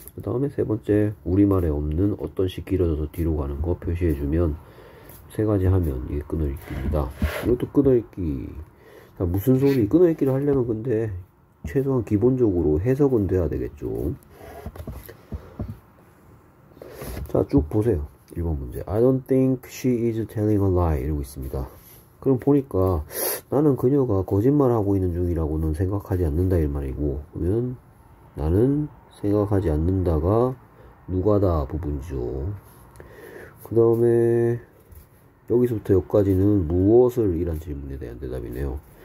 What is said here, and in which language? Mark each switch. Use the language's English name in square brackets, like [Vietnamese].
[Korean] 그 다음에 세 번째, 우리말에 없는 어떤 시 길어져서 뒤로 가는 거 표시해주면 세 가지 하면 이게 끊어읽기입니다. 이것도 끊어읽기. 자, 무슨 소리? 끊어읽기를 하려면 근데 최소한 기본적으로 해석은 돼야 되겠죠. 자, 쭉 보세요. 1번 문제. [English] I don't think she is telling a lie. [Korean] 이러고 있습니다. 그럼 보니까 나는 그녀가 거짓말하고 있는 중이라고는 생각하지 않는다. 이 말이고. 그러면 나는 생각하지 않는다가 누가다 부분이죠. 그 다음에 여기서부터 여기까지는 무엇을 이란 질문에 대한 대답이네요.